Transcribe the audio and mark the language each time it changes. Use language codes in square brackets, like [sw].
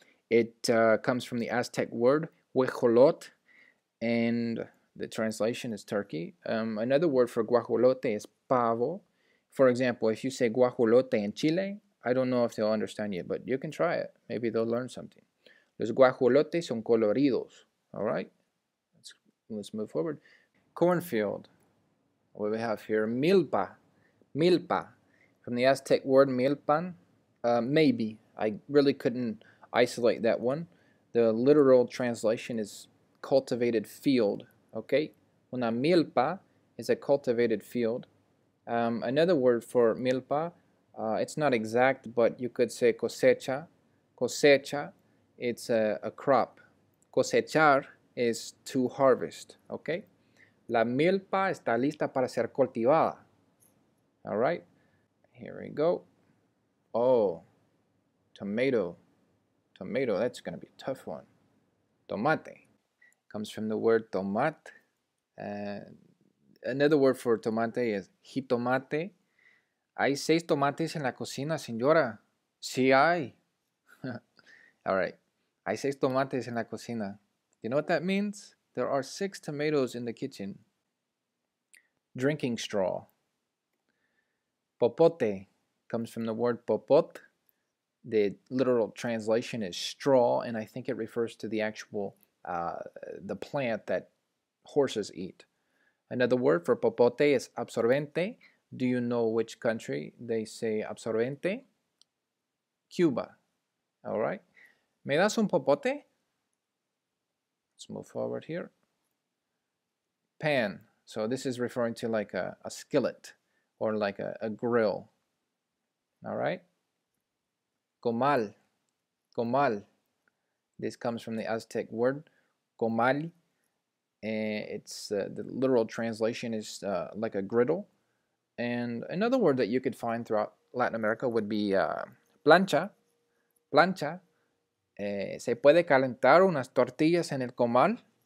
[en] It comes from the Aztec word huejolot, and the translation is turkey. Another word for guajolote is pavo. For example, if you say guajolote in Chile, I don't know if they'll understand you, but you can try it. Maybe they'll learn something. [es] Los guajolotes son coloridos. [en] All right. Let's move forward. Cornfield. What do we have here? Milpa. Milpa. From the Aztec word milpan, maybe. I really couldn't isolate that one. The literal translation is cultivated field, okay? [es] Una milpa [en] is a cultivated field. Another word for milpa, it's not exact, but you could say cosecha. Cosecha, it's a crop. Cosechar is to harvest, okay? [es] La milpa está lista para ser cultivada. [en] All right? Here we go. Oh, tomato. Tomato, that's going to be a tough one. Tomate. Comes from the word tomate. Another word for tomate is jitomate. [es] Hay seis tomates en la cocina, señora. Sí hay. [en] All right. [es] Hay seis tomates en la cocina. [en] You know what that means? There are six tomatoes in the kitchen. Drinking straw. Popote comes from the word popot. The literal translation is straw, and I think it refers to the actual the plant that horses eat. Another word for popote is absorbente, Do you know which country? They say absorbente. Cuba. All right. [es] ¿Me das un popote? [en] Let's move forward here. Pan. So this is referring to like a skillet or like a grill. All right. Comal. Comal. This comes from the Aztec word comal. It's the literal translation is like a griddle. And another word that you could find throughout Latin America would be plancha. Plancha. [es] ¿Se puede calentar unas tortillas en el comal?